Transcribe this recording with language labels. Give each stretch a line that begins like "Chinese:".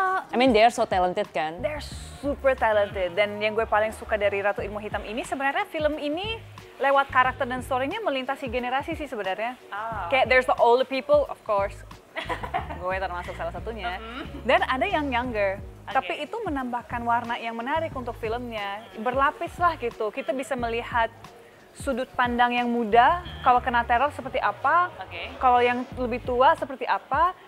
English: I mean they are so talented
Indonesian: kan?
English: They are super talented.
Indonesian: Dan yang gue paling suka dari Ratu Ilmu Hitam ini, sebenarnya film ini lewat karakter dan story-nya melintasi generasi sih sebenarnya. Kayak
English: there's the older people, of course.
Indonesian: Gue termasuk salah satunya. Dan ada yang younger. Okay. Tapi itu menambahkan warna yang menarik untuk filmnya. Berlapis lah gitu. Kita bisa melihat sudut pandang yang muda, kalau kena teror seperti apa, kalau yang lebih tua seperti apa.